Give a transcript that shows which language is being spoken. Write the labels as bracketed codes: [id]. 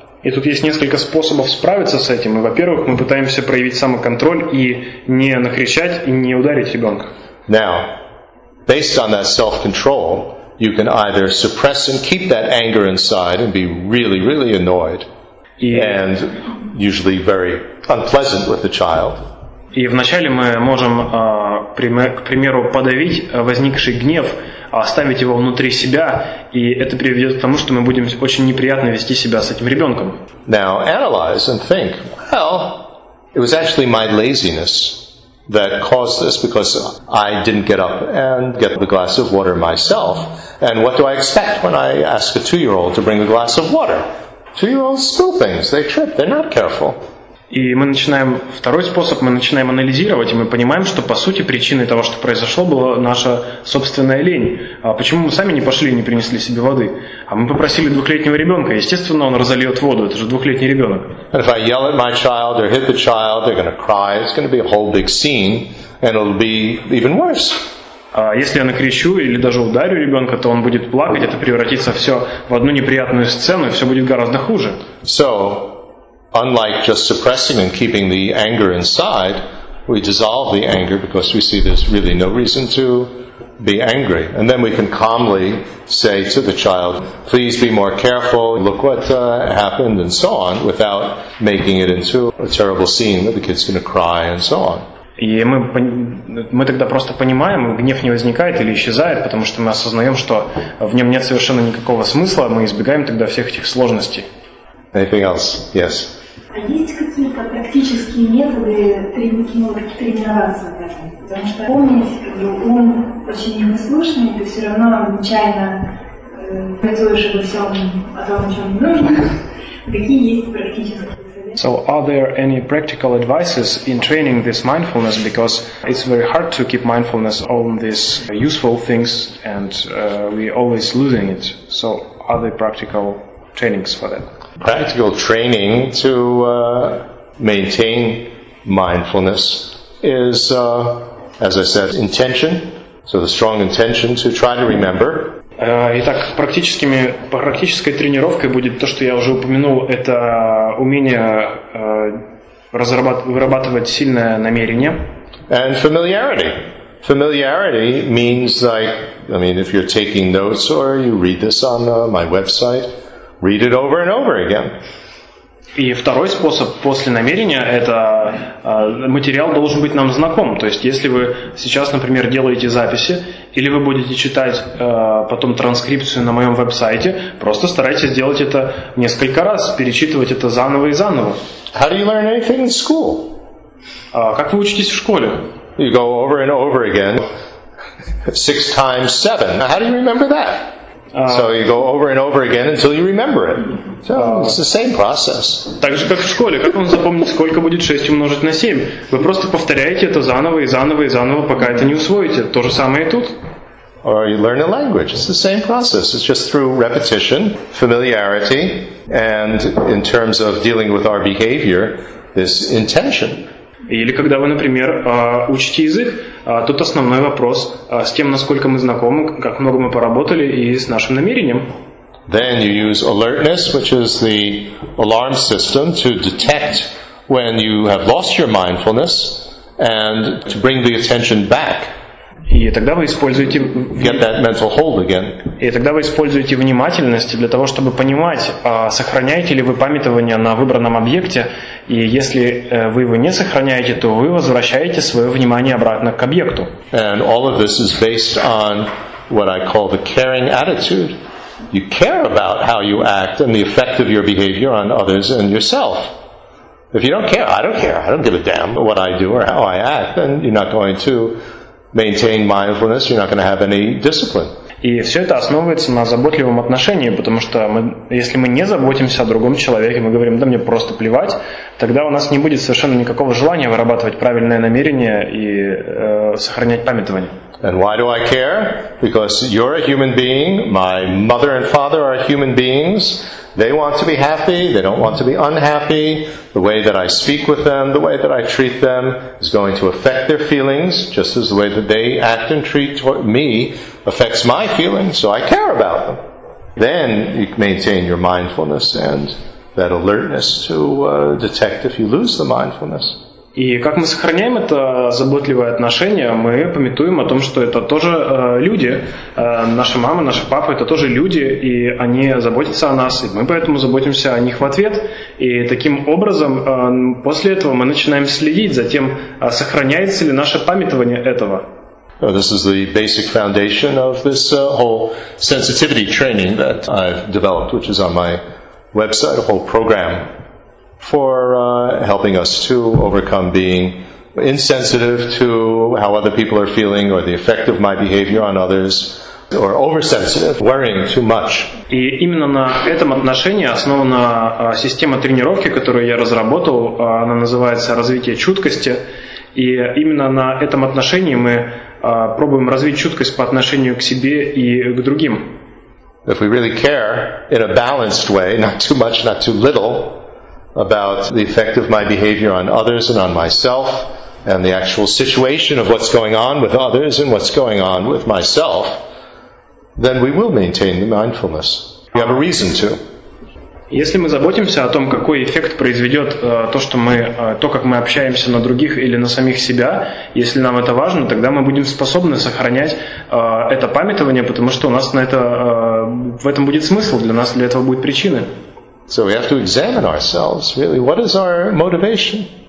[ru] И тут есть несколько способов справиться с этим. Во-первых, мы пытаемся проявить самоконтроль и не накричать и не ударить ребенка. [en] Now, based on that self-control, you can either suppress and keep that anger inside and be really, really annoyed. And usually very unpleasant with the child. [ru] И вначале мы можем, к примеру, подавить возникший гнев, оставить его внутри себя, и это приведет к тому, что мы будем очень неприятно вести себя с этим ребенком. [en] Now analyze and think. Well, it was actually my laziness that caused this because I didn't get up and get the glass of water myself. And what do I expect when I ask a 2-year-old to bring a glass of water? Two-year-olds spill things. They trip. They're not careful. [ru] И мы начинаем второй способ. Мы начинаем анализировать, и мы понимаем, что по сути причиной того, что произошло, была наша собственная лень. Почему мы сами не пошли и не принесли себе воды? А мы попросили 2-летнего ребенка. Естественно, он разольет воду. Это же 2-летний ребенок. [en] And if I yell at my child or hit the child, they're going to cry. It's going to be a whole big scene, and it'll be even worse. [ru] Если я накричу или даже ударю ребенка, то он будет плакать, это превратится все в одну неприятную сцену, и все будет гораздо хуже. [en] So, unlike just suppressing and keeping the anger inside, we dissolve the anger because we see there's really no reason to be angry. And then we can calmly say to the child, please be more careful, look what happened, and so on, without making it into a terrible scene where the kid's going to cry and so on. [ru] И мы тогда просто понимаем, гнев не возникает или исчезает, потому что мы осознаем, что в нем нет совершенно никакого смысла, мы избегаем тогда всех этих сложностей. [en] Anything else? Yes. [ru] А есть какие-то практические методы тренироваться в этом? Потому что помнить, ум очень непослушный, ты все равно нечаянно готовишь обо всем, о том, о чем не нужно. Какие есть практические? [en] So are there any practical advices in training this mindfulness, because it's very hard to keep mindfulness on these useful things and we're always losing it. So are there practical trainings for that? Practical training to maintain mindfulness is, as I said, intention. So the strong intention to try to remember. [ru] Итак, практической тренировкой будет то, что я уже упомянул, это умение вырабатывать сильное намерение. [en] And familiarity. Familiarity means like, I mean, if you're taking notes or you read this on my website, read it over and over again. [ru] И второй способ после намерения – это материал должен быть нам знаком. То есть, если вы сейчас, например, делаете записи, или вы будете читать потом транскрипцию на моем веб-сайте, просто старайтесь делать это несколько раз, перечитывать это заново и заново. [en] How do you learn anything in school? [ru] Как вы учитесь в школе? [en] You go over and over again. 6 times 7. Now, how do you remember that? So you go over and over again until you remember it. So it's the same process. [ru] Так же, как в школе. Как он запомнит, сколько будет 6 умножить на 7? Вы просто повторяете это заново и заново и заново, пока это не усвоите. То же самое и тут. [en] Or you learn a language. It's the same process. It's just through repetition, familiarity, and in terms of dealing with our behavior, this intention. [ru] Или когда вы, например, учите язык, тут основной вопрос с тем, насколько мы знакомы, как много мы поработали и с нашим намерением. [en] Then you use alertness, which is the alarm system, to detect when you have lost your mindfulness and to bring the attention back. [ru] И тогда вы используете... [en] Get that mental hold again. [ru] И тогда вы используете внимательность для того, чтобы понимать, сохраняете ли вы памятование на выбранном объекте, и если вы его не сохраняете, то вы возвращаете свое внимание обратно к объекту. [en] And all of this is based on what I call the caring attitude. you care about how you act and the effect of your behavior on others and yourself. If you don't care, I don't care. I don't give a damn what I do or how I act, then you're not going to maintain mindfulness, you're not going to have any discipline. [ru] И все это основывается на заботливом отношении, потому что мы, если мы не заботимся о другом человеке, мы говорим, да мне просто плевать, тогда у нас не будет совершенно никакого желания вырабатывать правильное намерение и сохранять памятование. [en] And why do I care? Because you're a human being, my mother and father are human beings, they want to be happy, they don't want to be unhappy, the way that I speak with them, the way that I treat them is going to affect their feelings, just as the way that they act and treat me affects my feelings, so I care about them. Then you maintain your mindfulness and that alertness to detect if you lose the mindfulness. [ru] И как мы сохраняем это заботливое отношение, мы памятуем о том, что это тоже люди. Наши мамы, наши папы – это тоже люди, и они заботятся о нас, и мы поэтому заботимся о них в ответ. И таким образом, после этого мы начинаем следить за тем, сохраняется ли наше памятование этого. [en] This is the basic foundation of this whole sensitivity training that I've developed, which is on my website, a whole program. For helping us to overcome being insensitive to how other people are feeling or the effect of my behavior on others or oversensitive, worrying too much. [ru] И именно на этом отношении основана система тренировки, которую я разработал. Она называется «Развитие чуткости». И именно на этом отношении мы пробуем развить чуткость по отношению к себе и к другим. [en] If we really care in a balanced way, not too much, not too little, about the effect of my behavior on others and on myself and the actual situation of what's going on with others and what's going on with myself, then we will maintain the mindfulness. We have a reason to. [ru] Если мы заботимся о том, какой эффект произведет то, что мы, то, как мы общаемся на других или на самих себя, если нам это важно, тогда мы будем способны сохранять это памятование, потому что у нас на это, в этом будет смысл, для нас для этого будет причины. [en] So we have to examine ourselves, really, what is our motivation?